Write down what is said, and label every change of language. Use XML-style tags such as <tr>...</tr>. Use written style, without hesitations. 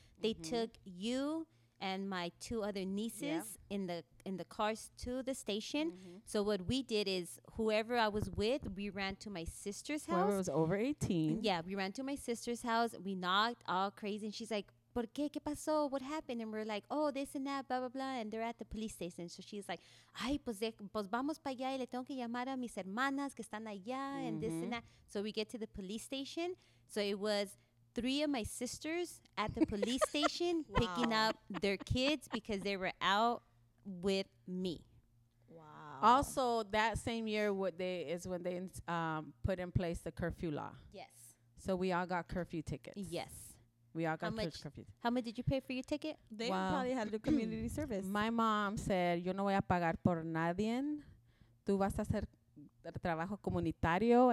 <en>They took you and my two other nieces in the cars to the station. Mm-hmm. So what we did is whoever I was with, we ran to my sister's house. Whoever was over 18. Yeah, we ran to my sister's house. We knocked all crazy. And she's like,</en> <es>¿por qué? ¿Qué pasó?</es> <en>What happened? And we're like, oh, this and that, blah, blah, blah. And they're at the police station. So she's like,</en> <es>ay, pues vamos para allá y le tengo que llamar a mis hermanas que están allá</es> <en>and this and that. So we get to the police station. So it was three of my sisters at the police station picking up their kids because they were out with me. Wow. Also, that same year is when they put in place the curfew law. Yes. So we all got curfew tickets. Yes. We all got curfew tickets. How much did you pay for your ticket? Probably had to do community service. My mom said,</en> <es>yo no voy a pagar por nadie. Tú vas a hacer trabajo comunitario.</es>